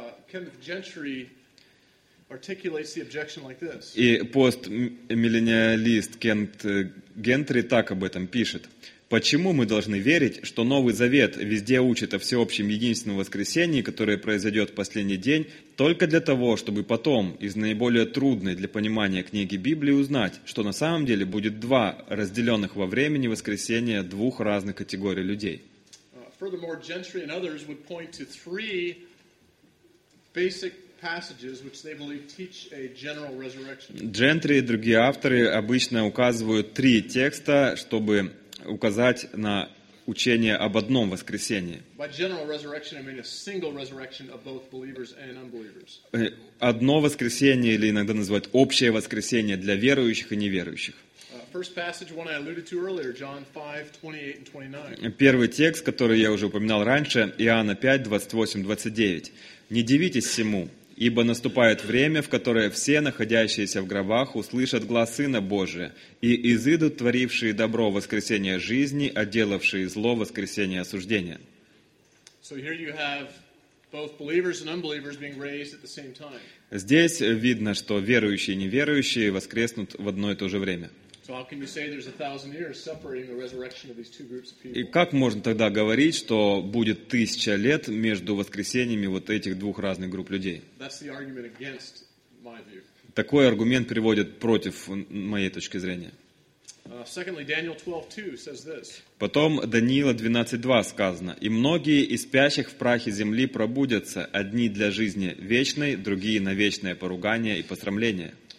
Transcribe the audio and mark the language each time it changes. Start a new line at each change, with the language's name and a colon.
English: Kenneth Gentry articulates the objection like this.
Russian: И постмиллениалист Кент Гентри так об этом пишет. Почему мы должны верить, что Новый Завет везде учит о всеобщем единственном воскресении, которое произойдет в последний день, только для того, чтобы потом из наиболее трудной для понимания книги Библии узнать, что на самом деле будет два разделенных во времени воскресения двух разных категорий людей?
English: Furthermore, Gentry and others would point to three basic passages which they believe teach a general resurrection.
Russian: Джентри и другие авторы обычно указывают три текста, чтобы указать на учение об одном воскресении.
English: By general resurrection, I mean a single resurrection of both believers and unbelievers.
Russian: Одно воскресение, или иногда называют общее воскресение для верующих и неверующих.
English: First passage, one I alluded to earlier, John 5:28-29.
Russian: Первый текст, который я уже упоминал раньше, Иоанна 5:28-29. Не дивитесь сему, ибо наступает время, в которое все, находящиеся в гробах, услышат глас Сына Божия, и изыдут творившие добро воскресение жизни, а делавшие зло воскресение осуждения.
English: So here you have both believers and unbelievers being raised at the same time.
Russian: Здесь видно, что верующие и неверующие воскреснут в одно и то же время.
English: So how can you say there's 1,000 years separating the resurrection of these two groups of people?
Russian: И как можно тогда говорить, что будет 1000 лет между воскресениями вот этих двух разных групп людей?
English: That's the argument against my view.
Russian: Такой аргумент приводит против моей точки зрения.
English: Secondly, Daniel 12:2 says this.
Russian: Потом Даниила 12:2 сказано: и многие из спящих в прахе земли пробудятся, одни для жизни вечной, другие на вечное поругание и посрамление.